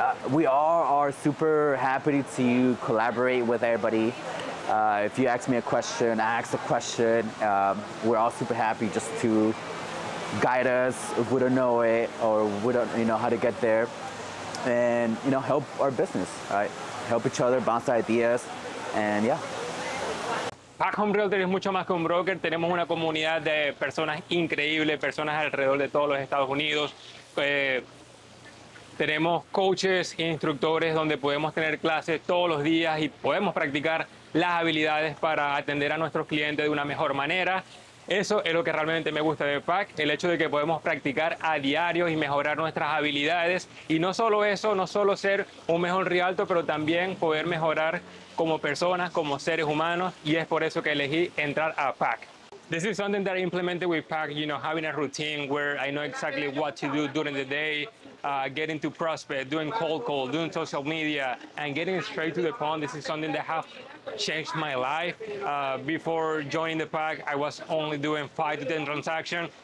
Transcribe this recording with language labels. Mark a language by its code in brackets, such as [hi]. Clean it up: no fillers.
[en] we all are super happy to collaborate with everybody. If you ask me a question, ask a question. We're all super happy just to guide us if we don't know it or we don't, you know, how to get there, and you know, help our business, right? Help each other, bounce ideas, and yeah. [es] Packham Realty es mucho más que un broker. Tenemos una comunidad de personas increíbles, personas alrededor de todos los Estados Unidos. Tenemos coaches e instructores donde podemos tener clases todos los días y podemos practicar las habilidades para atender a nuestros clientes de una mejor manera. Eso es lo que realmente me gusta de PAC, el hecho de que podemos practicar a diario y mejorar nuestras habilidades. Y no solo eso, no solo ser un mejor realtor, pero también poder mejorar como personas, como seres humanos. Y es por eso que elegí entrar a PAC. [en] This is something that I implemented with PAC, you know, having a routine where I know exactly what to do during the day. getting to prospect, doing cold call, doing social media, and getting straight to the pond. This is something that have changed my life. Before joining the pack, I was only doing 5 to 10 transactions.